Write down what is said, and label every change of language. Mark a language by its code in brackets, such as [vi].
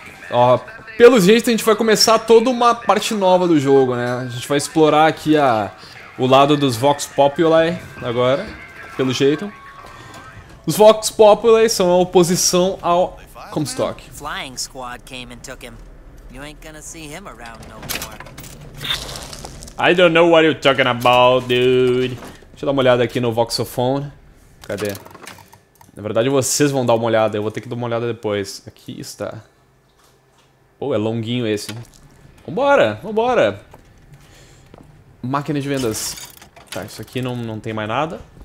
[pt] Ó, pelo jeito a gente vai começar toda uma parte nova do jogo, né? A gente vai explorar aqui o lado dos Vox Populi agora, pelo jeito. Os Vox Populi são a oposição ao Comstock. [en] Flying squad came and took him. You ain't gonna see him around no more. I don't know what you're talking about, dude. [pt] Deixa eu dar uma olhada aqui no Voxophone. Cadê? Na verdade vocês vão dar uma olhada, eu vou ter que dar uma olhada depois. Aqui está. Pô, é longuinho esse. Vambora, vambora. Máquina de vendas. Tá, isso aqui não tem mais nada.